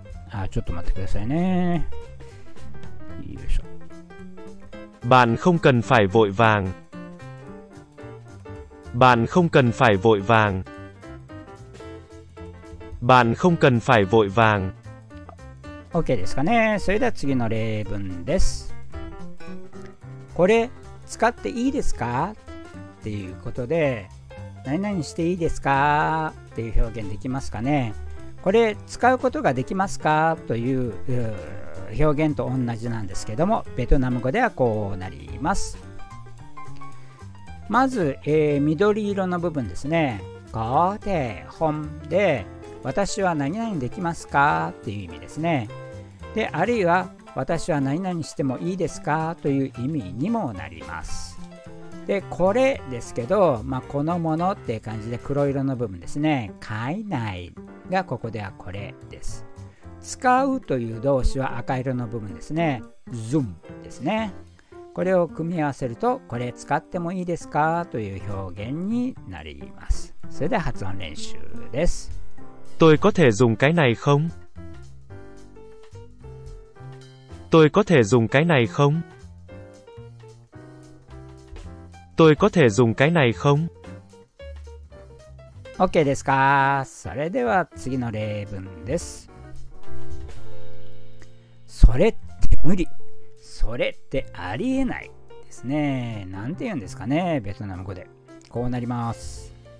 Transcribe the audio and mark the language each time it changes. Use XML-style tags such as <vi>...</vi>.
<ja>あ、ちょっと待ってくださいね。よいしょ。</ja> <vi>Bạn không cần phải vội vàng. Bạn không cần phải vội vàng. Bạn không cần phải vội vàng.</vi> <ja>OK ですかね。それでは次の例文です。これ使っていいですかっていうことで、何々していいですかっていう表現できますかね。これ使うことができますかという表現と同じなんですけども、ベトナム語ではこうなります。まず、緑色の部分ですね。ゴーテーホンで、私は何々できますかっていう意味ですね。で、あるいは私は何々してもいいですかという意味にもなります。で、これですけど、まあ、このものっていう感じで黒色の部分ですね。買えないがここではこれです。使うという動詞は赤色の部分ですね。ズンですね。これを組み合わせるとこれ使ってもいいですかという表現になります。それでは発音練習です。</ja> <vi>Tôi có thể dùng cái này không? Tôi có thể dùng cái này không? Tôi có thể dùng cái này không?</vi> <ja>OK ですか。それでは次の例文です。それって無理。それってありえないですね。なんて言うんですかね、ベトナム語で。こうなります。</ja>